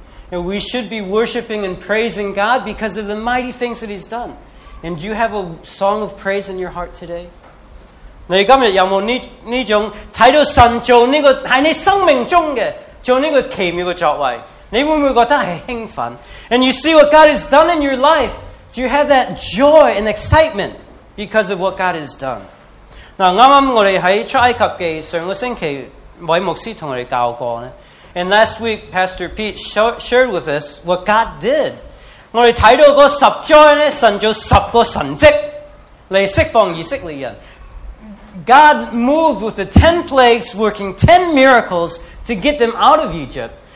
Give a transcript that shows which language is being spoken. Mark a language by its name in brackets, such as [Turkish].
[English] You know, we should be worshiping and praising God because of the mighty things that He's done. And do you have a song of praise in your heart today? [Chinese] 你今天有没有这种看到神做这个在你生命中的做这个奇妙的作为? 你会不会觉得是兴奋? [English] And you see what God has done in your life. Do you have that joy and excitement because of what God has done? [Chinese] 刚刚我们在出埃及的上个星期韦牧师跟我们教过, [English] and last week Pastor Pete shared with us what God did. [Chinese] 我们看到那十灾神做十个神迹来释放以色列人。 [English] God moved with the 10 plagues, working 10 miracles to get them out of Egypt.